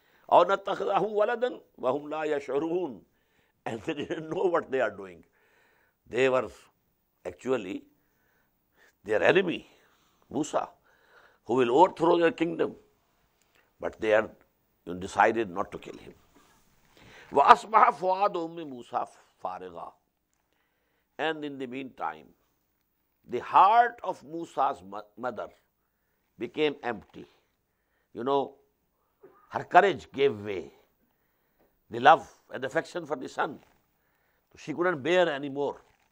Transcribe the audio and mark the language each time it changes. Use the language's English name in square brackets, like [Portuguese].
[Arabic] أَوْ نَتَّخِذَهُ وَلَدًا وَهُمْ لَا يَشْعُرُونَ. [English] And they didn't know what they are doing. They were actually their enemy, Musa, who will overthrow their kingdom. But they are decided not to kill him. [Arabic] وَأَصْبَحَ فُعَادُ أُمِّ مُوسَى فَارِغًا. [English] And in the meantime, the heart of Musa's mother became empty. You know, her courage gave way. The love and affection for the son, she couldn't bear anymore.